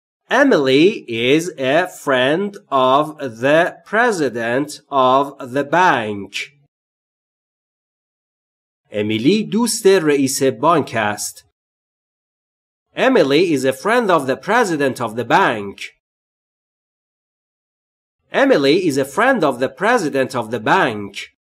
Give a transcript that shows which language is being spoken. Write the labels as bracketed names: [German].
[English] Emily is a friend of the president of the bank. [Persian] Emily دوست رئیس بانک است. [English] Emily is a friend of the president of the bank. Emily is a friend of the president of the bank.